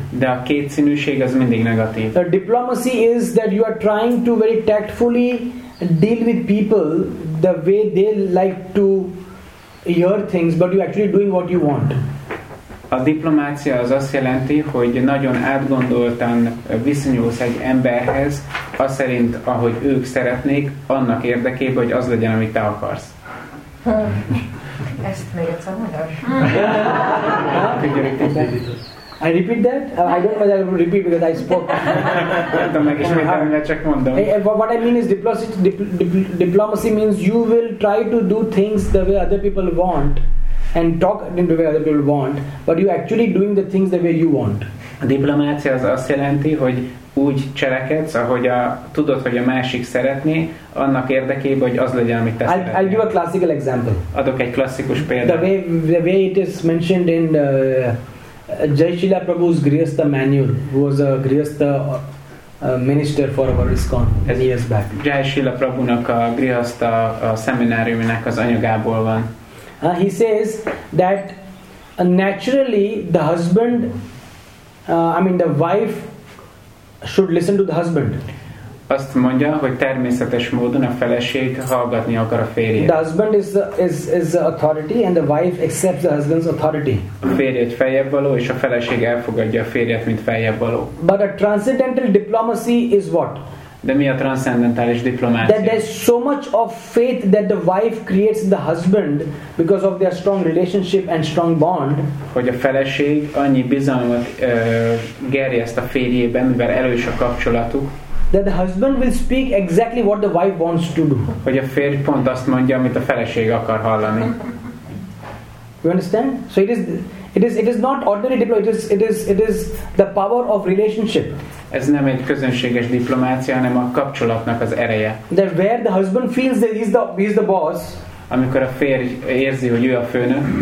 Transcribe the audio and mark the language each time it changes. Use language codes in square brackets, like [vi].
[hu] De a kétszínűség az mindig negatív. [en] The diplomacy is that you are trying to very tactfully deal with people the way they like to hear things, but you're actually doing what you want. [hu] A diplomácia az azt jelenti, hogy nagyon átgondoltan viszonyulsz egy emberhez, az szerint, ahogy ők szeretnék, annak érdekében, hogy az legyen, amit te akarsz. Ezt még egyszer mondasz? [en] Yeah. I repeat that? I don't know if I repeat because I spoke. [hu] Nem tudom meg is, csak mondom. [en] What I mean is diplomacy means you will try to do things the way other people want and talk in the way other people want, but you actually doing the things the way you want. [hu] A diplomácia az azt jelenti, hogy úgy cselekedsz, ahogy tudod, hogy a másik szeretné, annak érdekében, hogy az legyen, amit te szeretnél. [en] I'll give a classical example. [hu] Adok egy klasszikus példát. [en] The way it is mentioned in Jaisila Prabhu's Grihastha Manual, who was a Grihastha minister for our ISKCON years back. [hu] Jaisila Prabhunak a Grihastha szemináriumnak az anyagából van. [en] He says that naturally the husband, the wife should listen to the husband. [hu] Azt mondja, hogy természetes módon a feleség hallgatni akar a férjét. [en] The husband is the authority and the wife accepts the husband's authority. [hu] A férjét feljebb való, és a feleség elfogadja a férjet, mint feljebb való. [en] But a transcendental diplomacy is what? [hu] De mi a transzendentális diplomácia? [en] That there's so much of faith that the wife creates the husband because of their strong relationship and strong bond. [hu] Hogy a feleség annyi bizalmat gerjeszt a férjében, mivel erős a kapcsolatuk. [en] That the husband will speak exactly what the wife wants to do. [hu] Hogy a férj pont azt mondja, amit a feleség akar hallani. [en] You understand? So it is not ordinary diplomacy. It is the power of relationship. [hu] Ez nem egy közönséges diplomácia, hanem a kapcsolatnak az ereje. [en] That where the husband feels that he's the boss. [hu] Amikor a férj érzi, hogy ő a főnök.